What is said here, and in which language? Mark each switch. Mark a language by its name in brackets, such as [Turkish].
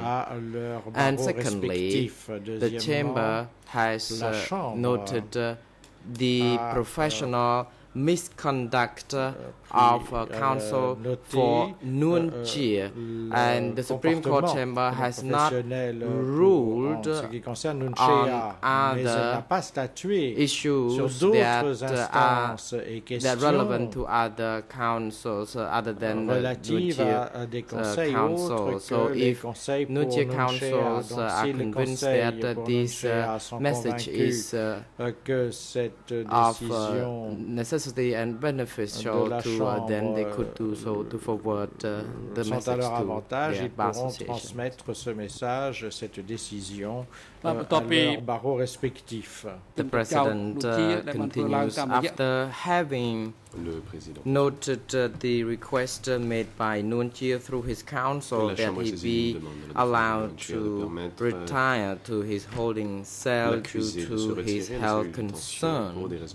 [English] And secondly, the chamber has noted the professional misconduct of counsel for Nguyen Chi, and the Supreme Court chamber has not ruled on other issues that are relevant to other counsels other than counsel. So if Nguyen Chi counsels are convinced that this message is of necessity and beneficial to then they could do so to forward the message to [French] avantage, [English] their bar association. [French] Transmettre ce message, cette décision, à leur barreau respectif. [English] The President continues, after having noted the request made by Nguyen Chi through his counsel that he be allowed to retire to his holding cell due to his health concern.